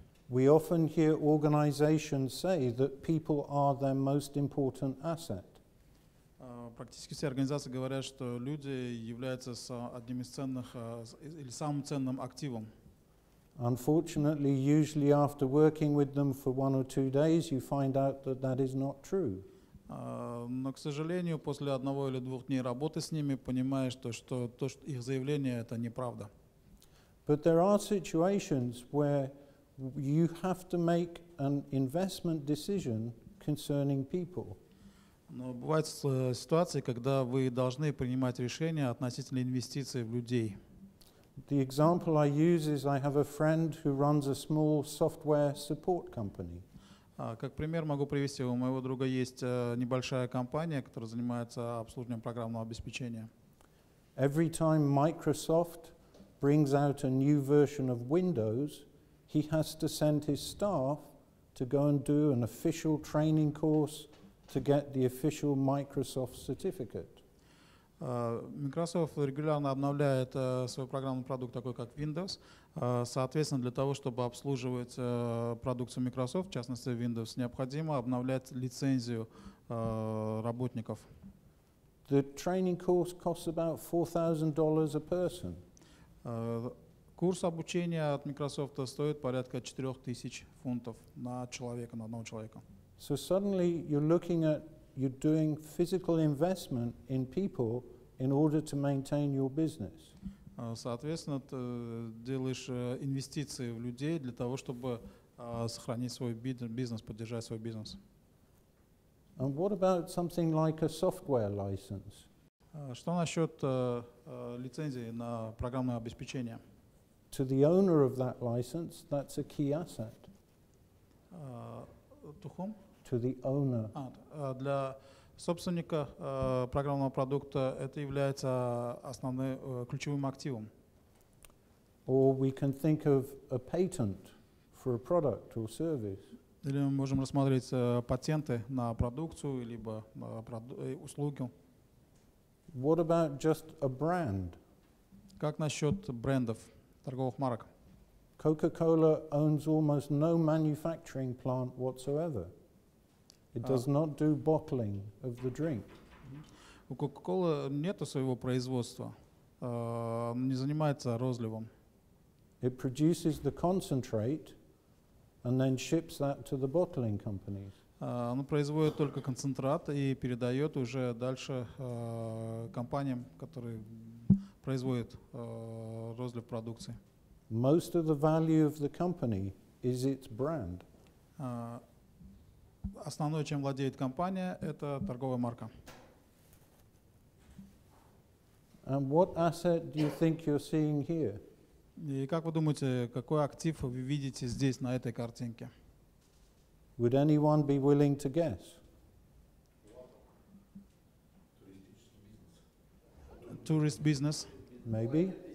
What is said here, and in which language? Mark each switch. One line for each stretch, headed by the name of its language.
English: We often hear organizations say that people are their most important asset.
Russian: Практически все организации говорят, что люди являются одним из ценных или самым ценным активом.
English: Unfortunately, usually after working with them for one or two days, you find out that that is not true.
Russian: Но, к сожалению, после одного или двух дней работы с ними понимаешь, что их заявление это неправда.
English: But there are situations where you have to make an investment decision concerning people.
Russian: Но бывают ситуации, когда вы должны принимать решения относительно инвестиций в людей.
English: The example I use is I have a friend who runs a small software support company.
Russian: Как пример могу привести, у моего друга есть небольшая компания, которая занимается обслуживанием программного обеспечения.
English: Every time Microsoft brings out a new version of Windows, he has to send his staff to go and do an official training course to get the official Microsoft certificate.
Russian: Microsoft регулярно обновляет свой программный продукт, такой как Windows. Соответственно, для того, чтобы обслуживать продукцию Microsoft, в частности Windows, необходимо обновлять лицензию работников.
English: The training course costs about $4,000 a person.
Russian: Курс обучения от Microsoft стоит порядка 4000 фунтов на человека, на одного человека.
English: So suddenly you're looking at, you're doing physical investment in people in order to maintain your business.
Russian: Соответственно, ты делаешь инвестиции в людей для того, чтобы сохранить свой бизнес, поддержать свой бизнес.
English: And what about something like a software license?
Russian: Что насчет лицензии на программное обеспечение?
English: To the owner of that license, that's a key asset. To whom? To the owner.
Russian: Для собственника программного продукта это является основным ключевым активом.
English: Or we can think of a patent for a product or service.
Russian: Или мы можем рассмотреть патенты на продукцию либо на услугу.
English: What about just a brand?
Russian: Как насчет брендов, торговых марок?
English: Coca-Cola owns almost no manufacturing plant whatsoever. It does not do bottling of the drink.
Russian: У Coca-Cola нет своего производства. Не занимается розливом.
English: It produces the concentrate and then ships that to the bottling companies.
Russian: Оно производит только концентрат и передает уже дальше компаниям, которые производят розлив продукции.
English: Most of the value of the company is its brand.
Russian: Основное, чем владеет компания, это торговая марка.
English: And what asset do you think you're seeing here?
Russian: И как вы думаете, какой актив вы видите здесь, на этой картинке?
English: Would anyone be willing to guess? Tourist business. Maybe.